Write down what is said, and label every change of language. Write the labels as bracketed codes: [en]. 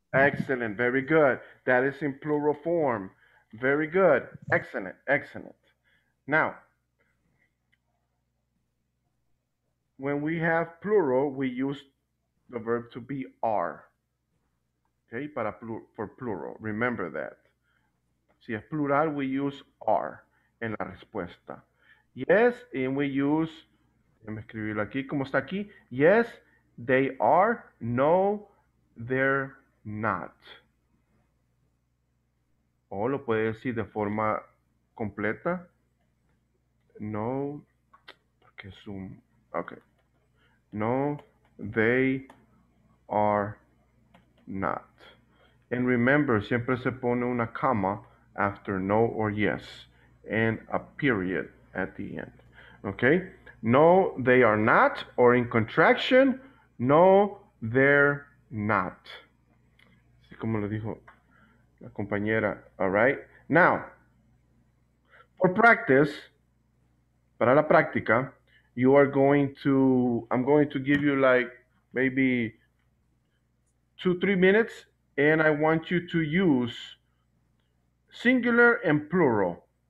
[en] Excellent. Very good. That is in plural form. Very good. Excellent. Excellent. Now, when we have plural, we use the verb to be are. Okay? For plural. Remember that. [es] Si es plural, [en] we use are [es] en la respuesta. [en] Yes, and we use... [es] Déjame escribirlo aquí. ¿Cómo está aquí? [en] Yes, they are. No, they're not. [es] O lo puede decir de forma completa. No, porque es un... Ok. [en] No, they are not. And remember, [es] siempre se pone una [en] comma after no or yes. And a period at the end. Ok. No, they are not, or in contraction, no, they're not. [es] Así como lo dijo la compañera, [en] all right? Now, for practice, [es] para la práctica, [en] I'm going to give you like maybe 2-3 minutes, and I want you to use singular and plural.